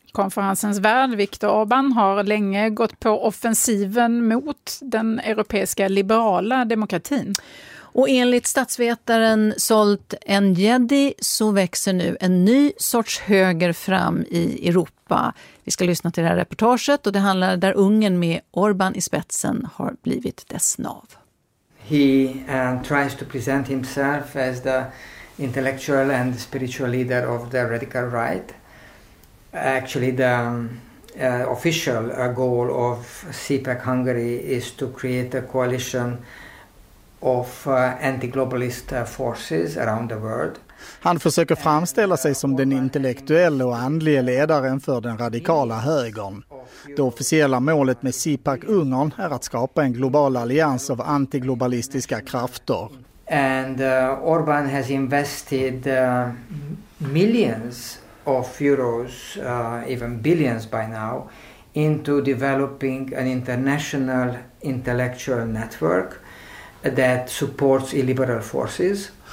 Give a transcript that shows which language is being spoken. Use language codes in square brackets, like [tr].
[sv] Konferensens värd Viktor Orbán har länge gått på offensiven mot den europeiska liberala demokratin. Och enligt statsvetaren Zsolt Enyedi så växer nu en ny sorts höger fram i Europa. Vi ska lyssna till det här reportaget och det handlar där Ungern med Orbán i spetsen har blivit dess nav. [en] He tries to present himself as the intellectual and spiritual leader of the radical right. Actually the official goal of CPAC Hungary is to create a coalition of anti-globalist forces around the world. [sv] Han försöker framställa sig som den intellektuella och andliga ledaren för den radikala högern. Det officiella målet med CPAC Ungern är att skapa en global allians av antiglobalistiska krafter. [en] And Orbán has invested millions of euros, even billions by now, into developing an international intellectual network that supports illiberal forces.